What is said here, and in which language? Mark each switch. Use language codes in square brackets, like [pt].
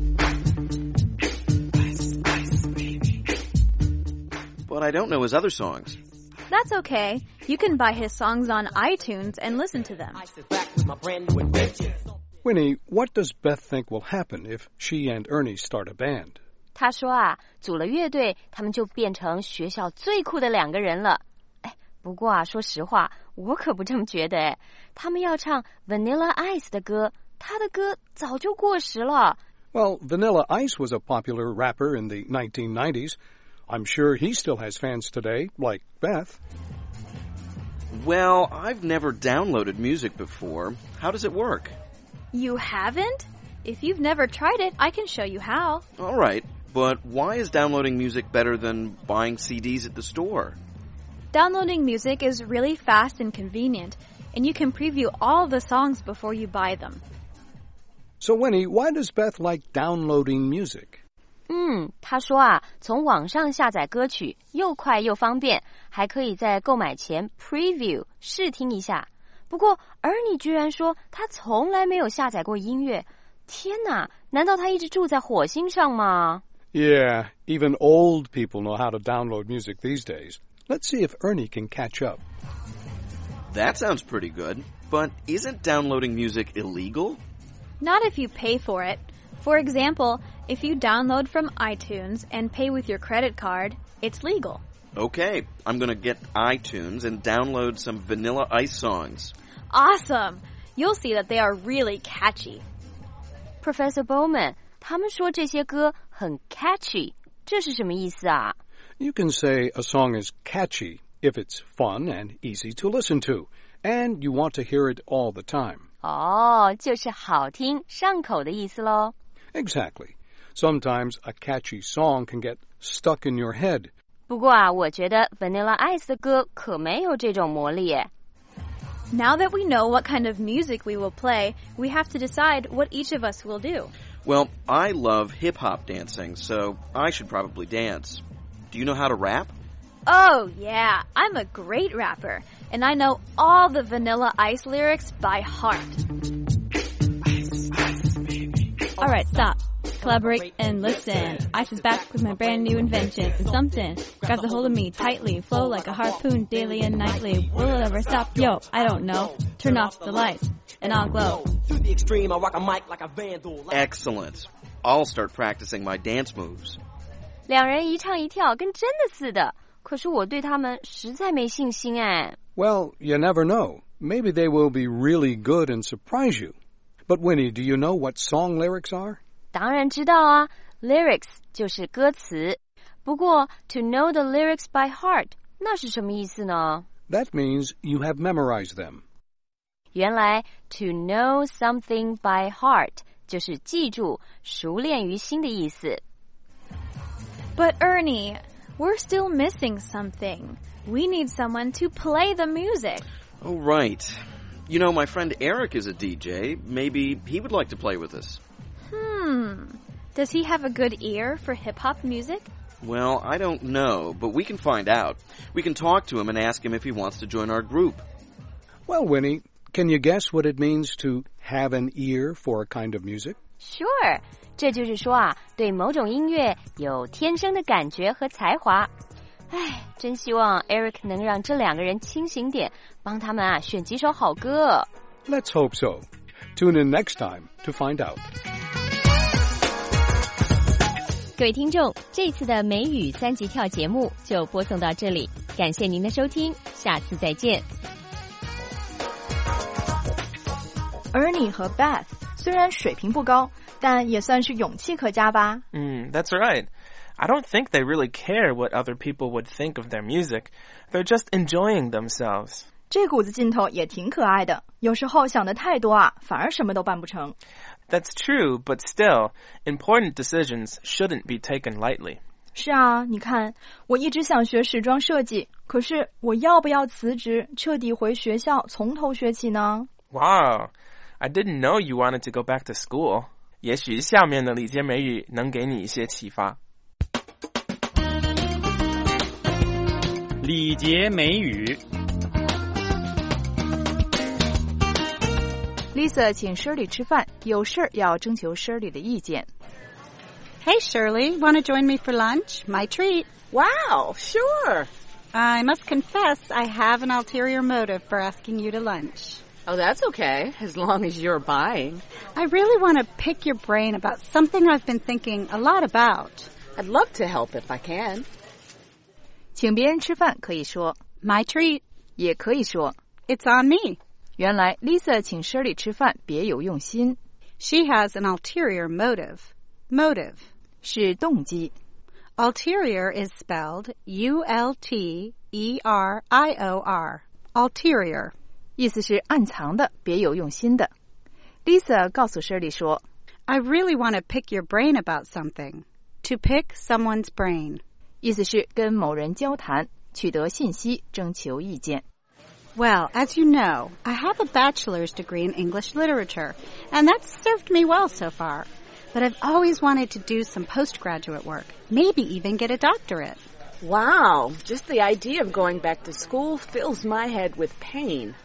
[en] Ice Ice Baby. But I don't know his other songs. That's okay. You can buy his songs on iTunes and listen to them. Winnie, what does Beth think will happen if she and Ernie start a band? [zh] 她说啊，组了乐队，他们就变成学校最酷的两个人了。不过啊，说实话，我可不这么觉得哎。他们要唱 Vanilla Ice 的歌，他的歌早就过时了。 [en] Well, Vanilla Ice was a popular rapper in the 1990s. I'm sure he still has fans today, like Beth. Well, I've never downloaded music before. How does it work? You haven't? If you've never tried it, I can show you how. All right, but why is downloading music better than buying CDs at the store? Downloading music is really fast and convenient, and you can preview all the songs before you buy them. So Winnie, why does Beth like downloading music? [zh] 她说啊，从网上下载歌曲又快又方便，还可以在购买前 preview 试听一下。不过 Ernie 居然说他从来没有下载过音乐，天哪，难道他一直住在火星上吗？ [en] Yeah, even old people know how to download music these days. Let's see if Ernie can catch up. That sounds pretty good, but isn't downloading music illegal? Not if you pay for it. For example, if you download from iTunes and pay with your credit card, it's legal. Okay, I'm going to get iTunes and download some Vanilla Ice songs. Awesome! You'll see that they are really catchy. [zh] Professor Bowman, 他们说这些歌很 catchy, 这是什么意思啊？ [en] You can say a song is catchy if it's fun and easy to listen to, and you want to hear it all the time. [zh] Oh, 就是好听、上口的意思咯。 [en] Exactly. Sometimes a catchy song can get stuck in your head. [zh] 不过啊，我觉得 Vanilla Ice 的歌可没有这种魔力。 [en] Now that we know what kind of music we will play, we have to decide what each of us will do. Well, I love hip-hop dancing, so I should probably dance. Do you know how to rap? Oh, yeah, I'm a great rapper, and I know all the Vanilla Ice lyrics by heart. All right, stop. Collaborate and listen. Ice is back with my brand new invention. It's something. Grabs a hold of me tightly. Flow like a harpoon daily and nightly. Will it ever stop? Yo, I don't know. Turn off the lights and I'll glow. Excellent. I'll start practicing my dance moves. [zh] 两人一唱一跳跟真的似的。可是我对他们实在没信心哎。 [en] Well, you never know. Maybe they will be really good and surprise you. But Winnie, do you know what song lyrics are? [zh] 当然知道啊 ,lyrics 就是歌词。不过 [en] ,to know the lyrics by heart, [zh] 那是什么意思呢 [en] ?That means you have memorized them. [zh] 原来 , [en] to know something by heart, [zh] 就是记住熟练于心的意思。 [en] But Ernie, we're still missing something. We need someone to play the music. Oh, right. You know, my friend Eric is a DJ. Maybe he would like to play with us. Does he have a good ear for hip-hop music? Well, I don't know, but we can find out. We can talk to him and ask him if he wants to join our group. Well, Winnie, can you guess what it means to have an ear for a kind of music? Sure. [zh] 这就是说啊，对某种音乐有天生的感觉和才华。唉，真希望 Eric 能让这两个人清醒点，帮他们啊，选几首好歌。 [en] Let's hope so. Tune in next time to find out. [zh] 各位听众，这次的美语三级跳节目就播送到这里，感谢您的收听，下次再见。 Ernie 和 Beth 虽然水平不高，但也算是勇气可嘉吧。 [en] That's right. I don't think they really care what other people would think of their music. They're just enjoying themselves. [zh] 这股子劲头也挺可爱的，有时候想得太多啊，反而什么都办不成。 [en] That's true, but still, important decisions shouldn't be taken lightly. [zh] 是啊，你看，我一直想学时装设计，可是我要不要辞职，彻底回学校，从头学起呢？ [en] Wow, I didn't know you wanted to go back to school. [zh] 也许下面的理解美语能给你一些启发。理解美语。 Lisa 请 Shirley 吃饭，有事要征求 Shirley 的意见。 [en] Hey Shirley, want to join me for lunch? My treat. Wow, sure. I must confess, I have an ulterior motive for asking you to lunch. Oh, that's okay, as long as you're buying. I really want to pick your brain about something I've been thinking a lot about. I'd love to help if I can. [zh] 请别人吃饭可以说 [en] My treat. [zh] 也可以说 [en] It's on me. [zh] 原来 Lisa 请 Shirley 吃饭别有用心。 [en] She has an ulterior motive. Motive [zh] 是动机。 [en] Ulterior is spelled U-L-T-E-R-I-O-R. Ulterior [zh] 意思是暗藏的，别有用心的。 Lisa 告诉 Shirley 说 [en] I really want to pick your brain about something. To pick someone's brain [zh] 意思是跟某人交谈，取得信息，征求意见。 [en] Well, as you know, I have a bachelor's degree in English literature, and that's served me well so far. But I've always wanted to do some postgraduate work, maybe even get a doctorate. Wow, just the idea of going back to school fills my head with pain.